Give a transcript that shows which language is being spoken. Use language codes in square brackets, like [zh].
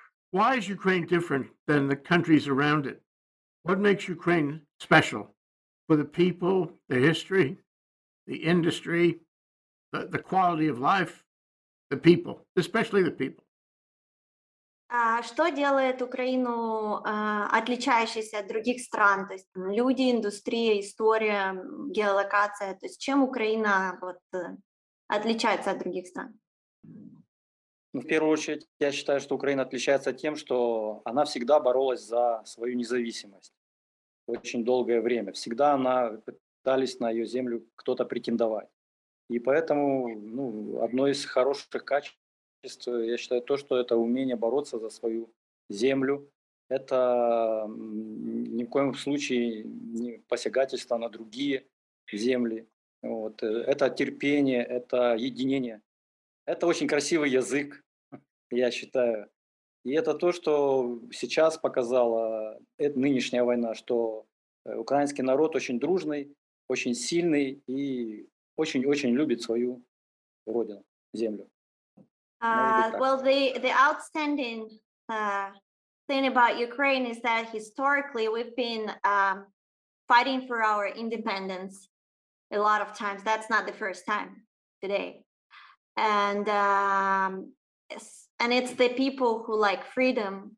[en] Why is Ukraine different than the countries around it? What makes Ukraine special? For the people, the history, the industry, the quality of life? The people, especially the people. [ru] Что делает Украину отличающейся от других стран? То есть там, люди, индустрия, история, геолокация. То есть чем Украина отличается от других стран? В первую очередь, я считаю, что Украина отличается тем, что она всегда боролась за свою независимость очень долгое время. Всегда она пытались на ее землю кто-то претендовать. И поэтому ну, одно из хороших качеств, я считаю, то, что это умение бороться за свою землю, это ни в коем случае не посягательство на другие земли. Вот. Это терпение, это единение. Это очень красивый язык, я считаю. И это то, что сейчас показала нынешняя война, что украинский народ очень дружный, очень сильный и очень-очень любит свою родину, землю. [en] Well, the outstanding thing about Ukraine is that historically we've been fighting for our independence a lot of times. That's not the first time today. And it's the people who like freedom.